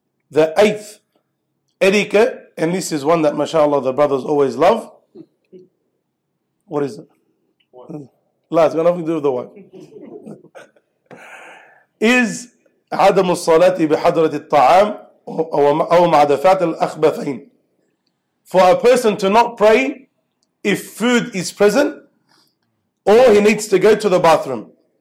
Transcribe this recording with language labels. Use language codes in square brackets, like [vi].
[en] The eighth etiquette, and this is one that mashallah the brothers always love. What is it? Last, it's got nothing to do with the wife. [ar] Is عدم الصلاة بحضرة الطعام أو مع دفعات الأخبثين. [en] For a person to not pray if food is present or he needs to go to the bathroom.